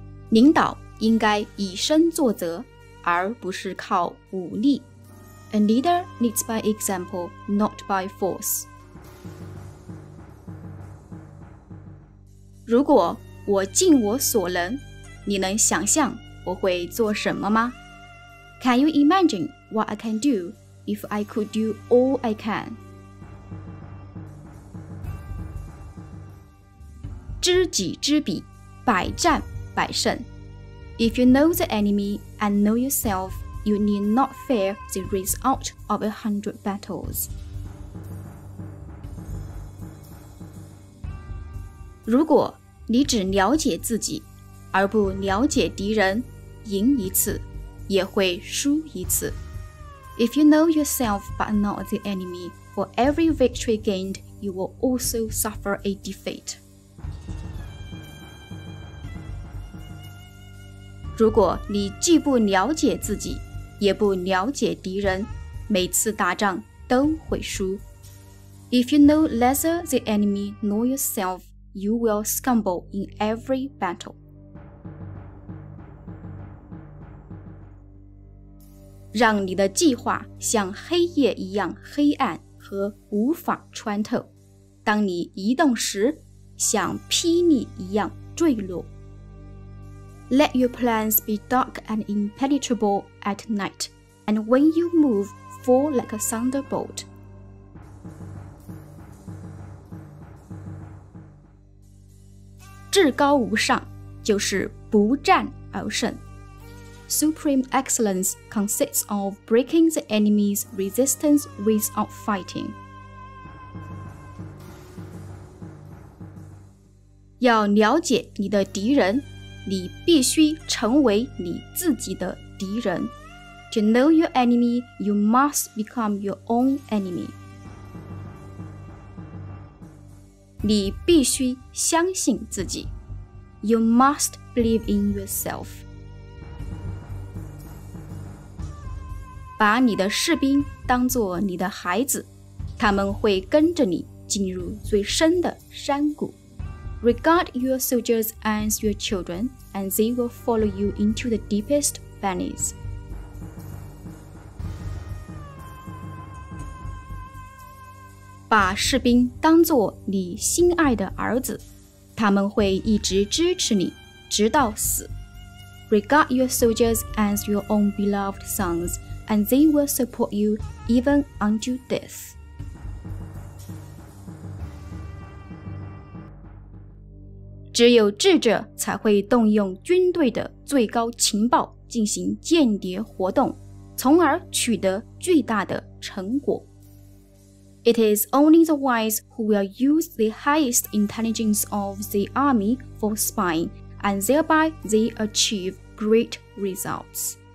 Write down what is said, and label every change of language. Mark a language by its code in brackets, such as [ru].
[zh] 领导应该以身作则，而不是靠武力。 [en] A leader leads by example, not by force. [zh] 如果我尽我所能，你能想象我会做什么吗？ [en] Can you imagine what I can do if I could do all I can? [zh] 知己知彼，百战百胜。 [en] If you know the enemy and know yourself, you need not fear the result of 100 battles. [zh] 如果你只了解自己而不了解敌人，赢一次也会输一次。 [en] If you know yourself but not the enemy, for every victory gained, you will also suffer a defeat. [zh] 如果你既不了解自己，也不了解敌人，每次打仗都会输。 [en] If you know neither the enemy nor yourself, you will stumble in every battle. [zh] 让你的计划像黑夜一样黑暗和无法穿透。当你移动时，像霹雳一样坠落。 [en] Let your plans be dark and impenetrable at night, and when you move, fall like a thunderbolt. [zh] 至高无上就是不战而胜。 [en] Supreme excellence consists of breaking the enemy's resistance without fighting. [zh] 要了解你的敌人。你必须成为你自己的敌人。 [en] To know your enemy, you must become your own enemy. [zh] 你必须相信自己。 [en] You must believe in yourself. [zh] 把你的士兵当作你的孩子，他们会跟着你进入最深的山谷。 [en] Regard your soldiers as your children, and they will follow you into the deepest valleys. [zh] 把士兵当作你心爱的儿子，他们会一直支持你，直到死。 [en] Regard your soldiers as your own beloved sons, and they will support you even unto death. [zh] 只有智者才会动用军队的最高情报进行间谍活动，从而取得巨大的成果。 [en] It is only the wise who will use the highest intelligence of the army for spying, and thereby they achieve great results.